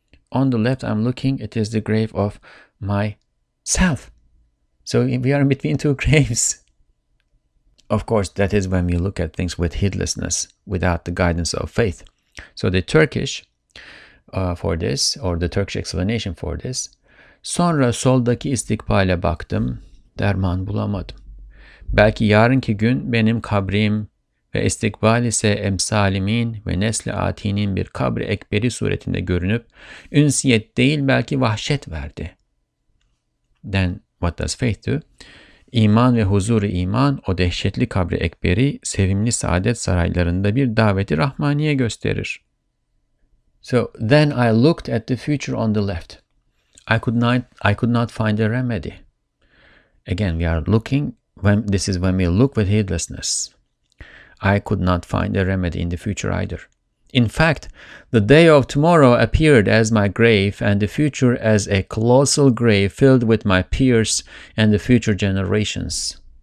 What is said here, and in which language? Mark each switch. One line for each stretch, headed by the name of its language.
English: On the left, I'm looking, it is the grave of myself. So we are in between two graves. Of course, that is when we look at things with heedlessness, without the guidance of faith. So the Turkish for this, or the Turkish explanation for this.
Turkish: Sonra soldaki istikbale baktım. Derman bulamadım. Belki yarınki gün benim kabrim ve istikbal ise emsalimin ve nesli atinin bir kabri ekberi suretinde görünüp ünsiyet değil belki vahşet verdi.
English: Then what does faith do?
Turkish: İman ve huzur-i iman o dehşetli kabri ekberi sevimli saadet saraylarında bir daveti rahmaniye gösterir.
English: So then I looked at the future on the left. I could not find a remedy. Again, we are looking, when this is when we look with heedlessness. I could not find a remedy in the future either. In fact, the day of tomorrow appeared as my grave and the future as a colossal grave filled with my peers and the future generations.